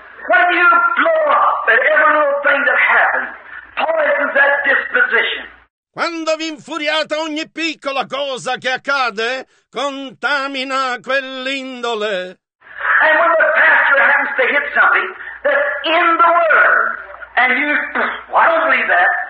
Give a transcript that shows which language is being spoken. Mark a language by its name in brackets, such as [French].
[English] When you blow up at every little thing that happens, poisons that disposition. [Italian] Quando vi infuriate ogni piccola cosa che accade, contamina quell'indole. [English] And when the pastor happens to hit something that's in the Word, and you, well, I don't believe that.